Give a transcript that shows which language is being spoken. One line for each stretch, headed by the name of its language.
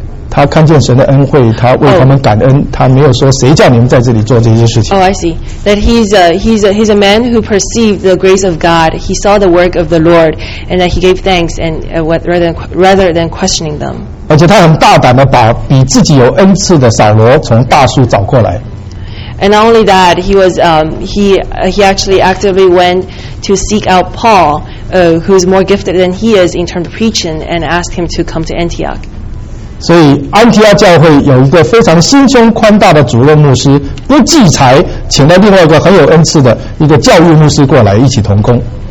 Chinese: 他看见神的恩惠，他为他们感恩。他没有说谁叫你们在这里做这些事情。
English: Oh, I see. That he's a man who perceived the grace of God. He saw the work of the Lord, and that he gave thanks and rather than questioning them.
Chinese: 而且他很大胆的把比自己有恩赐的扫罗从大树找过来。
English: And not only that, he was he actually actively went to seek out Paul, who's more gifted than he is in terms of preaching, and asked him to come to Antioch.
Chinese: 所以安提阿教会有一个非常心胸宽大的主任牧师，不计财，请了另外一个很有恩赐的一个教育牧师过来一起同工。